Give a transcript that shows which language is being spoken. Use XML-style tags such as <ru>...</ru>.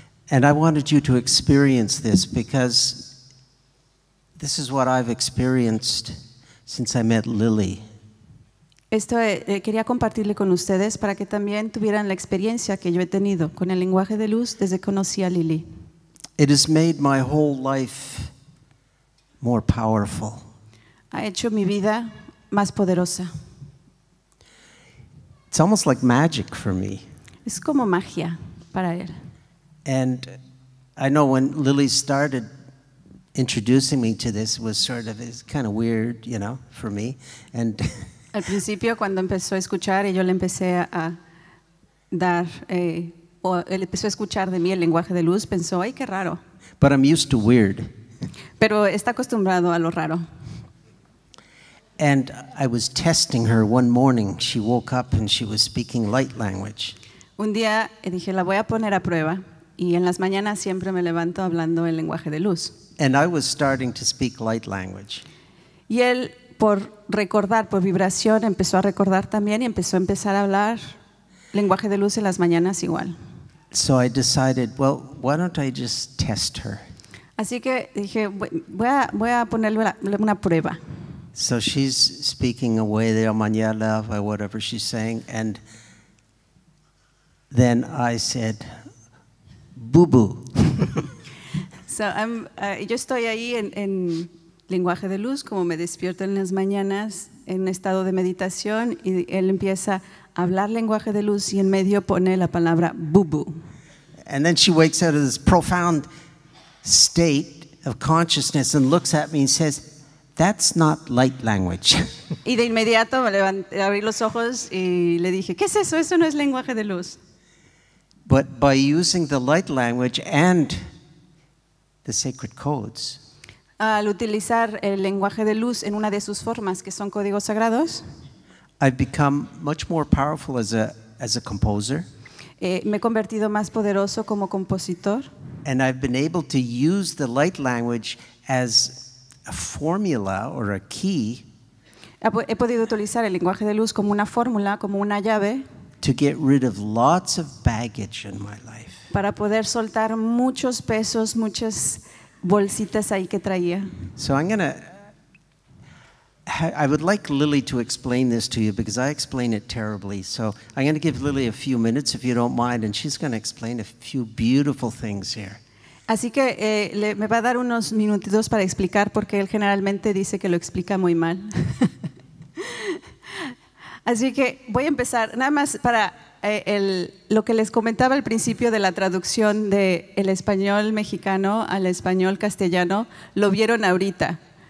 <en>And I wanted you to experience this because this is what I've experienced since I met Lily.</en> <es>Esto quería compartirle con ustedes para que también tuvieran la experiencia que yo he tenido con el lenguaje de luz desde que conocí a Lily.</es> <en>It has made my whole life more powerful.</en> <es>Ha hecho mi vida más poderosa.</es> <en>It's almost like magic for me.</en> <es>Es como magia para él.</es> <en>And I know when Lily started introducing me to this, it was sort of, it's kind of weird, you know, for me. And</en> <es>al principio, cuando empezó a escuchar y yo le empecé a dar, o él empezó a escuchar de mí el lenguaje de luz, pensó, ay, qué raro.</es> <en>But I'm used to weird.</en> <es>Pero está acostumbrado a lo raro.</es> <en>And I was testing her one morning. She woke up and she was speaking light language.</en> <es>Un día dije, la voy a poner a prueba. Y en las mañanas siempre me levanto hablando el lenguaje de luz.</es> <en>And I was starting to speak light language.</en> <es>Y él, por recordar, por vibración, empezó a recordar también y empezó a empezar a hablar lenguaje de luz en las mañanas igual.</es> <en>So I decided, well, why don't I just test her?</en> <es>Así que dije, voy a ponerle una prueba.</es> <en>So she's speaking away the mañana or whatever she's saying, and then I said, boo boo. So I'm,</en> <es>yo estoy ahí en lenguaje de luz, como me despierto en las mañanas, en estado de meditación, y él empieza a hablar lenguaje de luz y en medio pone la palabra boo boo.</es> <en>And then she wakes out of this profound state of consciousness and looks at me and says, that's not light language.</en> <es>Y de inmediato me levanté, abrí los ojos y le dije, ¿qué es eso? Eso no es lenguaje de luz.</es> <en>But by using the light language and the sacred codes.</en> <es>Al utilizar el lenguaje de luz en una de sus formas, que son códigos sagrados.</es> <en>I've become much more powerful as a composer.</en> <es>Me he convertido más poderoso como compositor.</es> <en>And I've been able to use the light language as a formula or a key.</en> <es>He podido utilizar el lenguaje de luz como una fórmula, como una llave.</es> <en>To get rid of lots of baggage in my life.</en> <es>Para poder soltar muchos pesos, muchas bolsitas ahí que traía.</es> <en>So I'm going to, I would like Lily to explain this to you because I explain it terribly. So I'm going to give Lily a few minutes if you don't mind, and she's going to explain a few beautiful things here.</en> <es>Así que me va a dar unos minutitos para explicar porque él generalmente dice que lo explica muy mal. Así que voy a empezar, nada más para lo que les comentaba al principio de la traducción de el español mexicano al español castellano, lo vieron ahorita.</es>